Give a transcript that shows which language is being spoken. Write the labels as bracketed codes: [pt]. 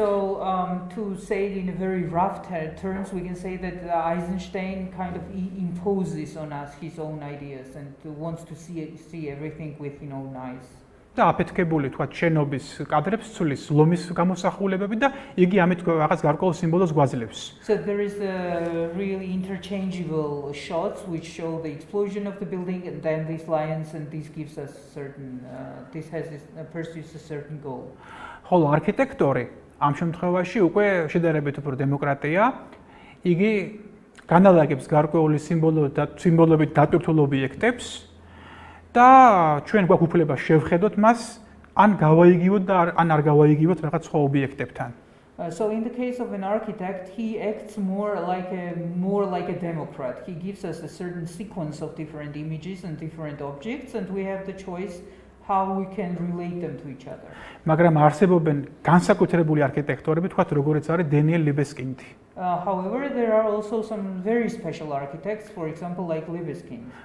[en] So to say it in a very rough terms we can say that Eisenstein kind of imposes on us his own ideas and wants to see everything with his own eyes. [ka] და აფეთქებული თქვა შენობის კადრებს ცulis ლომის გამოსახულებები და იგი ამით რაღაც გარკვეულ სიმბოლოს გვაძლევს. [en] So there is a really interchangeable shots which show the explosion of the building and then these lions and this gives us certain this has pursues a certain goal. [ka] ხოლო არქიტექტორი ამ შემთხვევაში უკვე შედარებით უფრო დემოკრატია. იგი განალაგებს გარკვეული სიმბოლოს და სიმბოლოებით დატვირთულ ობიექტებს. და ჩვენ გვაქვს უფლება შევხედოთ მას ან გავაიგივოთ და ან არ გავაიგივოთ რაღაც სხვა ობიექტებთან. [en] So in the case of an architect he acts more like a democrat. He gives us a certain sequence of different images and different objects and we have the choice how we can relate them to each other. [ka] მაგრამ არსებობენ განსაკუთრებული არქიტექტორები, თქვათ როგორც არის დენიელ ლიბესკინდი. [en] However there are also some very special architects for example like Libeskind.